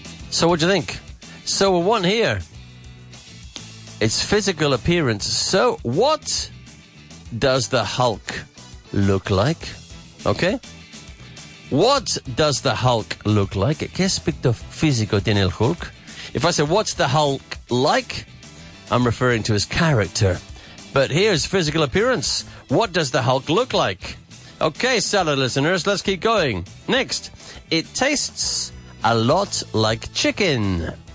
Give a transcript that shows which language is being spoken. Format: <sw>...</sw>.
<en>So what do you think? So one here. It's physical appearance. So what does the Hulk look like? Okay. What does the Hulk look like?</en> <es>¿Qué aspecto físico tiene el Hulk?</es> <en>If I say, what's the Hulk like? I'm referring to his character. But here's physical appearance. What does the Hulk look like? Okay, salad listeners, let's keep going. Next, it tastes a lot like chicken.</en>